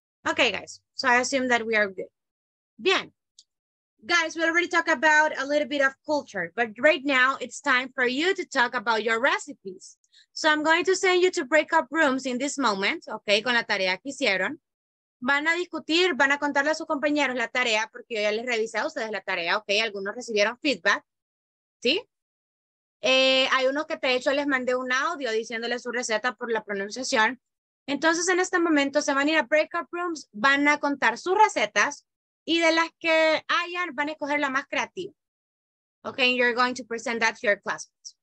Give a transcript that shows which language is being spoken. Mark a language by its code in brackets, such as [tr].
[en] Okay, guys, so I assume that we are good. Bien. Guys, we already talked about a little bit of culture, but right now it's time for you to talk about your recipes. So I'm going to send you to break up rooms in this moment, okay, [es] con la tarea que hicieron. Van a discutir, van a contarle a sus compañeros la tarea, porque yo ya les revisé a ustedes la tarea, okay, algunos recibieron feedback, ¿sí? Hay uno que de hecho les mandé un audio diciéndole su receta por la pronunciación. Entonces, en este momento se van a ir a breakout rooms, van a contar sus recetas y de las que hayan, van a escoger la más creativa. [en] Okay, you're going to present that to your classmates.